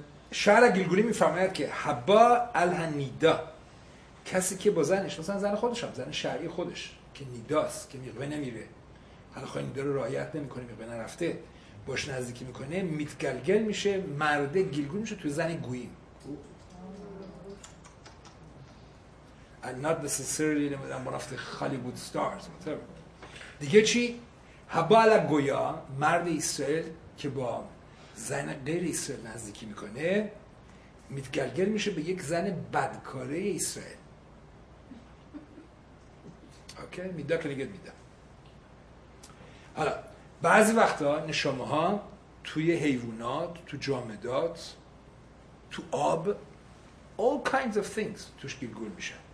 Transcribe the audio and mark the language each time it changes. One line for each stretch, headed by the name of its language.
Persian: شعر گیلگولی میفرماید که
Hebrew: حبا الهنیدا،
Persian: کسی که با زنش، مثلا زن خودش هم، زن شرعی خودش که نیداست، که میقوه نمیره، حالا خواهی نیدا رو رعایت نمی کنه، میقوه نرفته، باش نزدیکی میکنه، میتگلگل میشه، مرده گیلگولی میشه توی زن گویی.
English: And not necessarily I'm one of the Hollywood stars, whatever.
Persian: دیگه چی؟
Hebrew: حبال گویا،
Persian: مرد اسرائیل که با زن غیر اسرائیل نزدیکی میکنه، میتگلگل میشه به یک زن بدکاره اسرائیل. اوکی؟ میده که نگه میده. حالا، بعضی وقتا نشامه ها توی حیوانات، تو جامدات، تو آب،
English: all kinds of things
Persian: توش گیلگول میشه.